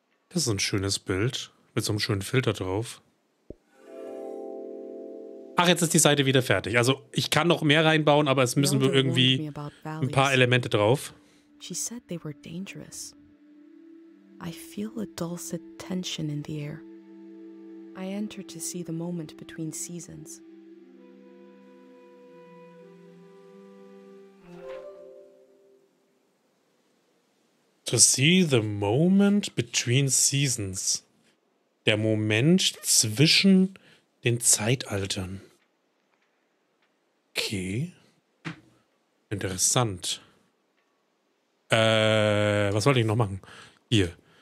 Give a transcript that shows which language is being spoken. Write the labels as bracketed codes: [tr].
[de] Das ist ein schönes Bild. Mit so einem schönen Filter drauf. Ach, jetzt ist die Seite wieder fertig. Also, ich kann noch mehr reinbauen, aber es müssen wir irgendwie ein paar Elemente drauf. Sie sagte, sie waren [en] dangerous. [de] Ich fühle eine [es] dulce [de] Tension [en] in the air. I enter to see the moment between seasons. To see the moment between seasons. [de] Der Moment zwischen den Zeitaltern. Okay. Interessant. Was wollte ich noch machen? Hier.